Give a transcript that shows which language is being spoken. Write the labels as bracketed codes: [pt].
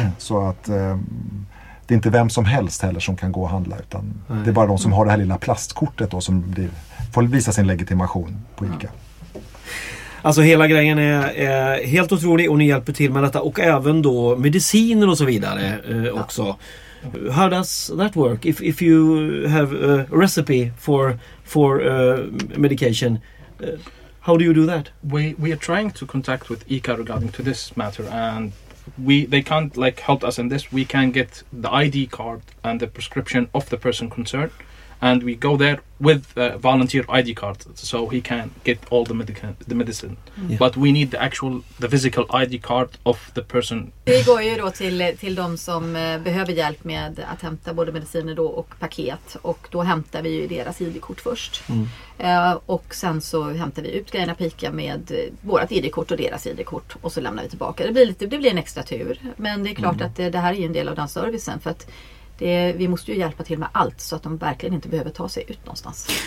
[sv] Så att det är inte vem som helst heller som kan gå och handla, utan det är bara de som har det här lilla plastkortet då, som får visa sin legitimation på ICA. Alltså hela grejen är helt otrolig, och ni hjälper till med detta och även då mediciner och så vidare också. [en] How does that work? If you have a recipe for medication, how do you do that? We are trying to contact with ICA regarding to this matter, and they can't like help us in this. We can get the ID card and the prescription of the person concerned, and we go there with a volunteer ID card, so he can get all the medicine. Yeah. But we need the physical ID card of the person. [sv] Vi går ju då till de som behöver hjälp med att hämta både mediciner då och paket. Och då hämtar vi ju deras ID-kort först. Och sen så hämtar vi ut grejerna på ICA med vårat ID-kort och deras ID-kort. Och så lämnar vi tillbaka. Det blir en extra tur. Men det är klart att det här är ju en del av den servicen, för att vi måste ju hjälpa till med allt så att de verkligen inte behöver ta sig ut någonstans.